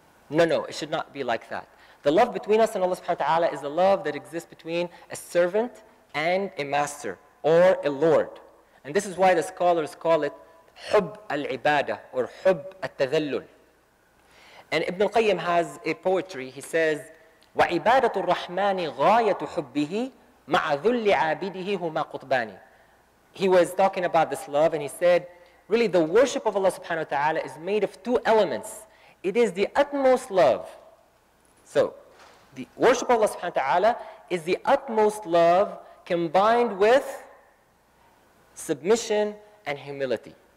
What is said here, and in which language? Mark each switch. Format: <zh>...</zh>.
<en>No, it should not be like that. The love between us and Allah subhanahu wa ta'ala is the love that exists between a servant and a master or a lord. And this is why the scholars call it</en> <ar>حب العبادة</ar> <en>or</en> <ar>حب التذلل.</ar> <en>And Ibn al-Qayyim has a poetry. He says,</en> <ar>وعبادة الرحمن غاية حبه مع ذل عابده هما قطبان.</ar> <en>He was talking about this love and he said, really the worship of Allah subhanahu wa ta'ala is made of two elements. It is the utmost love. So, the worship of Allah subhanahu wa ta'ala is the utmost love combined with submission and humility.</en>